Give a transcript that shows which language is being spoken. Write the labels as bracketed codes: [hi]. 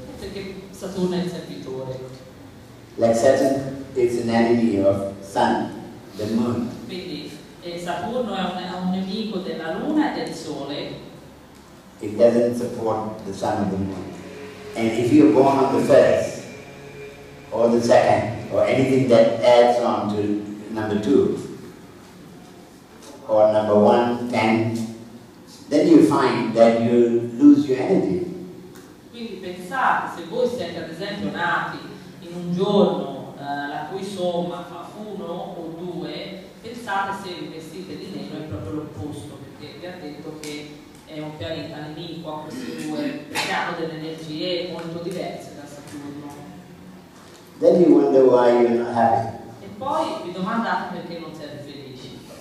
[it] Perché Saturno è il servitore. [en] Like Saturn is an enemy of Sun, the Moon. [it] Quindi Saturno è un nemico della Luna e del Sole. [en] It doesn't support the Sun or the Moon. And if you're born on the first, or the second, or anything that adds on to number two, or number one, ten, then you find that you lose your energy. [it] Quindi pensate, se voi siete ad esempio nati in un giorno la cui somma fa uno o due, pensate se vi vestite di nero è proprio l'opposto, perché vi ha detto che è un pianeta nemico a questi due, perché hanno delle energie molto diverse da Saturno. [en] Then you wonder why you're not happy. [it] E poi vi domandate perché non siete felici.